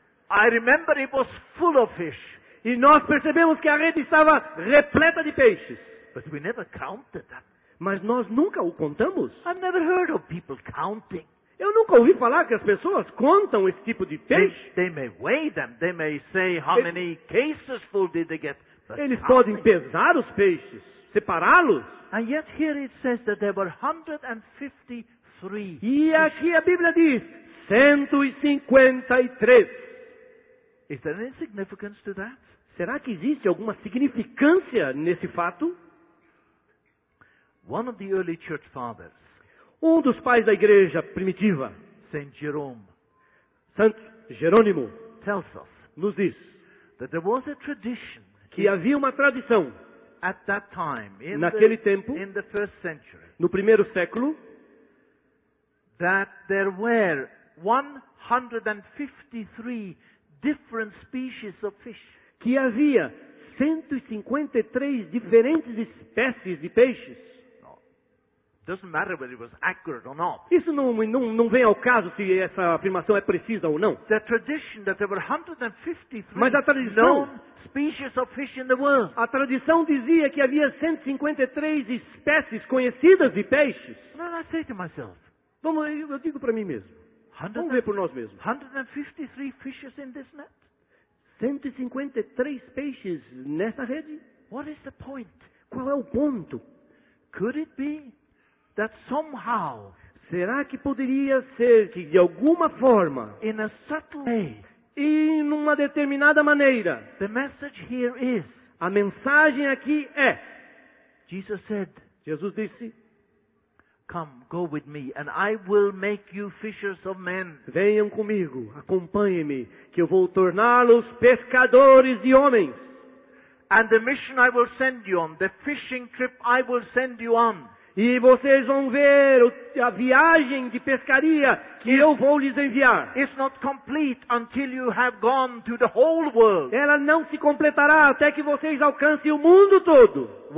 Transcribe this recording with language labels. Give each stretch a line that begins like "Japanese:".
English: I remember it was full of fish.
Portuguese: E nós percebemos que a rede estava repleta de peixes.
English: But we never counted that.
Portuguese: Mas nós nunca o contamos.
English: I've never heard of people counting.
Portuguese: Eu nunca ouvi falar que as pessoas contam esse tipo de peixe.
English: They may weigh them. They may say how many cases full did they get.
Portuguese: Eles podem pesar os peixes, separá-los.
English: And yet here it says that there were 153.
Portuguese: E aqui a Bíblia diz 153.
English: Is there any significance to that?
Portuguese: Será que existe alguma significância nesse fato?
English: One of the early church fathers.
Portuguese: Um dos pais da igreja primitiva,
English: Saint Jerome,
Portuguese: Santo Jerônimo,
English: tells us,
Portuguese: nos diz
English: that there was a tradition
Portuguese: que havia uma tradição
English: at that time,
Portuguese: naquele tempo,
English: in the first century,
Portuguese: no primeiro século,
English: that there were 153 different species of fish.
Portuguese: Que havia 153 diferentes espécies de peixes.
English: Doesn't matter whether it was accurate or not.
Portuguese: Isso não vem ao caso se essa afirmação é precisa ou não.
English: The tradition that there were 153
Portuguese: Mas a tradição,
English: known species of fish in the world.
Portuguese: A tradição dizia que havia 153 espécies conhecidas de peixes.
English: And I say to myself,
Portuguese: vamos, eu digo para mim mesmo. Vamos ver por nós mesmos.
English: 153 fishes in this net?
Portuguese: 153 peixes nesta rede?
English: What is the point?
Portuguese: Qual é o ponto?
English: Could it be that somehow,
Portuguese: será que poderia ser que de alguma forma,
English: in a subtle way,
Portuguese: e numa determinada maneira,
English: the message here is,
Portuguese: a mensagem aqui é,
English: Jesus said,
Portuguese: Jesus disse,
English: come, go with me, and I will make you fishers of men.
Portuguese: Venham comigo, acompanhem-me, que eu vou torná-los pescadores de homens.
English: And the mission I will send you on, the fishing trip I will send you on.
Portuguese: E vocês vão ver a viagem de pescaria que eu vou lhes enviar.
English: It's not complete until you have gone to the whole world.
Portuguese: Ela não se completará até que vocês alcancem o mundo todo.